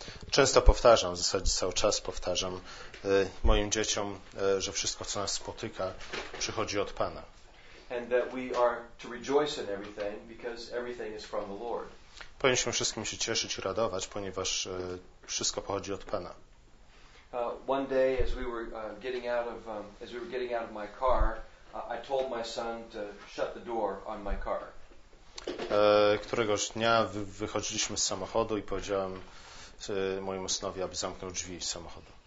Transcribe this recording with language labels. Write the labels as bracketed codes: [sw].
[pl] Często powtarzam, w zasadzie cały czas powtarzam moim dzieciom, że wszystko, co nas spotyka, przychodzi od Pana. [en] And that we are to rejoice in everything because everything is from the Lord. [pl] Powinniśmy wszystkim się cieszyć i radować, ponieważ wszystko pochodzi od Pana. [en] One day as we were getting out of my car, I told my son to shut the door on my car. [pl] Któregoś dnia wychodziliśmy z samochodu i powiedziałem mojemu synowi, aby zamknął drzwi samochodu.